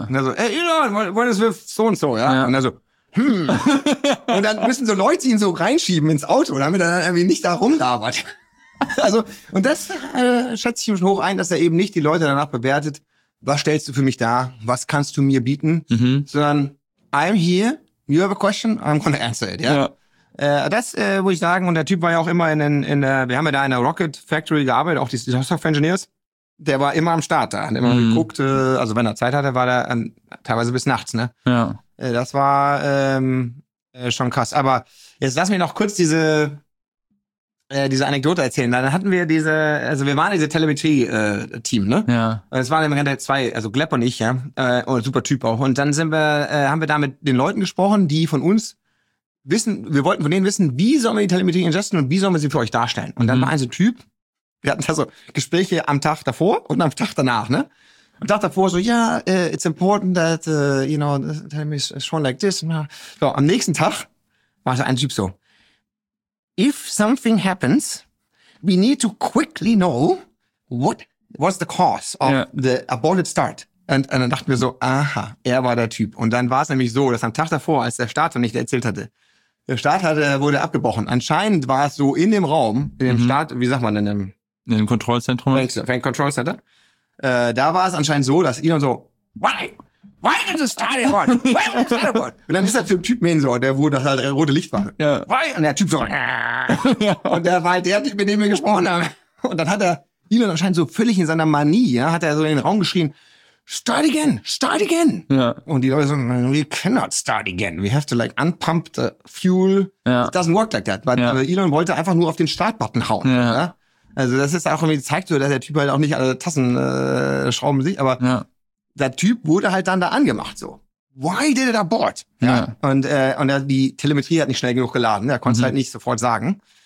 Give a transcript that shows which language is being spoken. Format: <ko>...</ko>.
<de>Und er so, hey Elon,</de> <en>what is with</en> <de>so und so, ja? Und er so, und dann müssen so Leute ihn so reinschieben ins Auto, damit er dann irgendwie nicht da rumlabert. Also, und das schätze ich schon hoch ein, dass er eben nicht die Leute danach bewertet, was stellst du für mich da, was kannst du mir bieten, sondern</de> <en>I'm here, you have a question, I'm gonna answer it, yeah?</en> <de>Das muss ich sagen, und der Typ war ja auch immer wir haben ja da in der Rocket Factory gearbeitet, auch die Software Engineers. Der war immer am Start da, hat immer geguckt, also wenn er Zeit hatte, war er teilweise bis nachts, ne? Ja. Das war schon krass. Aber jetzt lass mich noch kurz diese Anekdote erzählen. Dann hatten wir wir waren diese Telemetrie-Team, ne? Ja. Es waren im Endeffekt zwei, also Gleb und ich, ja, und super Typ auch. Und dann haben wir da mit den Leuten gesprochen, die von uns wissen, wir wollten von denen wissen, wie sollen wir die Telemetrie ingesten und wie sollen wir sie für euch darstellen? Und dann war ein so Typ, wir hatten da so Gespräche am Tag davor und am Tag danach, ne? Am Tag davor so, ja,</de> <en>it's important that, you know, tell me shown like this.</en> <de>So, am nächsten Tag war so ein Typ so,</de> <en>if something happens, we need to quickly know what was the cause of the aborted start.</en> <de>Und dann dachten wir so, aha, er war der Typ. Und dann war es nämlich so, dass am Tag davor, als der Start noch nicht erzählt hatte, wurde abgebrochen. Anscheinend war es so in dem Raum, in dem Start, wie sagt man denn? In dem Kontrollzentrum?</de> <en>Fan Control Center.</en> <de>Da war es anscheinend so, dass Elon so,</de> <en>why did the start abort? Why did the start abort?</en> <de>Und dann ist der Typ mehr so, der wurde halt der rote Licht war.</de> <en>Yeah. Why?</en> <de>Und der Typ so, und der war halt der Typ, mit dem wir gesprochen haben. Und dann hat er Elon anscheinend so völlig in seiner Manie, ja, hat er so in den Raum geschrien,</de> <en>Start again.</en> <de>Ja. Und die Leute so,</de> <en>we cannot start again. We have to like unpump the fuel.</en> <de>Ja.</de> <en>It doesn't work like that.</en> <de>Weil Elon wollte einfach nur auf den Startbutton hauen. Ja. Ja? Also das ist auch irgendwie zeigt so, dass der Typ halt auch nicht alle Tassen schrauben sich, aber der Typ wurde halt dann da angemacht so.</de> <en>Why did it abort?</en> <de>Ja. Und die Telemetrie hat nicht schnell genug geladen. Er konnte es halt nicht sofort sagen.</de>